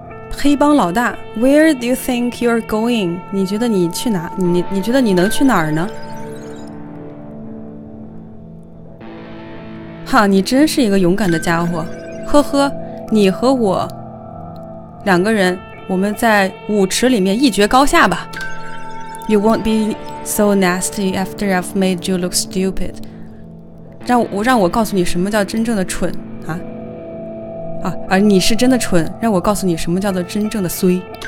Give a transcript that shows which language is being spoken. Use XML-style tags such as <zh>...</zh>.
<zh>黑帮老大 ，</zh> <en>Where do you think you're going？</en> <zh>你觉得你去哪？你觉得你能去哪儿呢？哈，你真是一个勇敢的家伙。呵呵，你和我两个人，我们在舞池里面一决高下吧。</zh> <en>You won't be so nasty after I've made you look stupid。</en> <zh>让我告诉你什么叫真正的蠢。而你是真的蠢，让我告诉你什么叫做真正的衰。</zh>